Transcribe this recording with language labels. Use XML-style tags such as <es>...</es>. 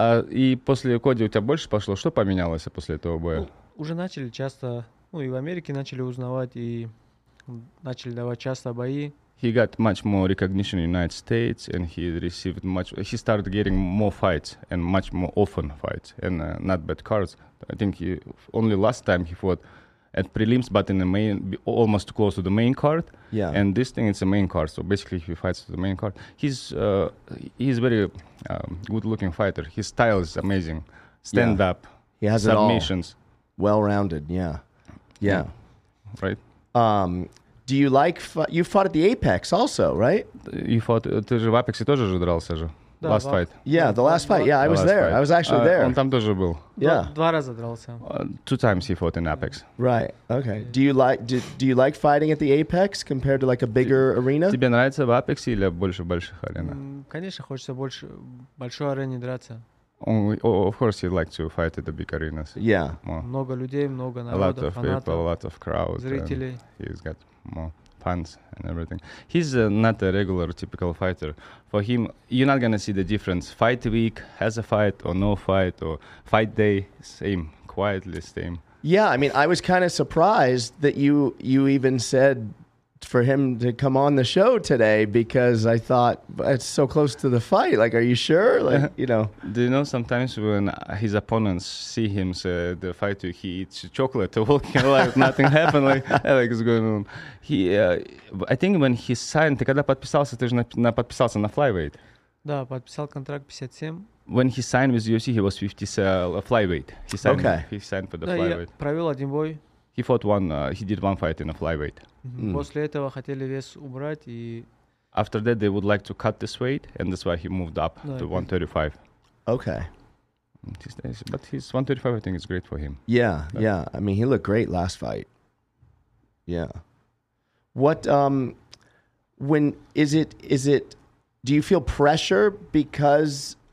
<ru>И после Коди у тебя больше пошло? Что поменялось после этого боя? Уже начали часто, и в Америке начали узнавать, и начали давать часто бои.</ru> <en>He got much more recognition in the United States, and he received much, he started getting more fights, and much more often fights, and not bad cards. I think he, only last time he fought at prelims, but in the main, almost close to the main card. Yeah. And this thing, it's a main card, so basically he fights the main card. He's very good-looking fighter. His style is amazing. Stand-up. Yeah. He has submissions. It all. Well-rounded, yeah. Yeah. Yeah. Right? Do you like... you fought at the Apex also, right? You fought...</en> <ru>Ты же в Apex тоже уже дрался же. Да,</ru> <en>last fight. Yeah, the last fight. Yeah, I was there. Fight. I was actually there.</en> <ru>Он там тоже был.</ru> <en>Yeah.</en> <ru>Два раза дрался.</ru> <en>Two times he fought in Apex. Right. Okay. Yeah. Do you like fighting at the Apex compared to like a bigger arena?</en> <ru>Тебе нравится в Apex или больше в больших аренах? Конечно, хочется больше большой арене драться.</ru> <en>Of course, you'd like to fight at the big arenas. Yeah.</en> <ru>Много людей, много народа, фанатов.</ru> <en>A lot of people, a lot of crowds.</en> <ru>Зрителей.</ru> <en>He's got more. Pants and everything. He's not a regular, typical fighter. For him, you're not gonna see the difference. Fight week, has a fight or no fight, or fight day, same, quietly same. Yeah, I mean, I was kind of surprised that you even said for him to come on the show today, because I thought it's so close to the fight. Like, are you sure? Like, you know. Do you know sometimes when his opponents see him say the fight, he eats chocolate, walking like nothing happened. Like it's going on. I think when he signed,</en> <ru>ты когда подписался, ты же подписался на</ru> <en>flyweight.</en> <ru>Да, подписал контракт 57.</ru> <en>When he signed with UFC, he was 50 flyweight. He signed. Okay. He signed for the flyweight.</en> <ru>Да, я провел один бой.</ru> <en>He fought one. He did one fight in a flyweight. Mm-hmm.</en> <ru>После этого хотели вес убрать и.</ru> <en>After that, they would like to cut this weight, and that's why he moved up to 135. Okay. But his 135, I think, is great for him. Yeah, but yeah. I mean, he looked great last fight. Yeah. What when is it? Do you feel pressure because</en>